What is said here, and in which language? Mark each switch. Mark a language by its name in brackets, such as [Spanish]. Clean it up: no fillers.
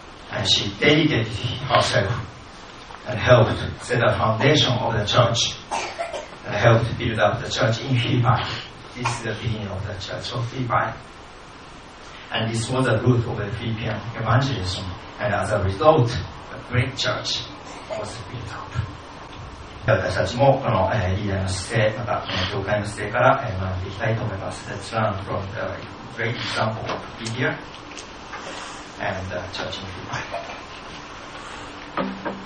[English] And she dedicated herself and helped set the foundation of the church and helped build up the church in Philippi. This is the beginning of the church of Philippi. And this was the root of the Philippian evangelism. And as a result, a great church was built up. [Japanese] 私たちもこのリーダーの姿勢、またこの教会の姿勢から学んでいきたいと思います。 [English] Let's learn from the great example of Lydia.And church in Dubai.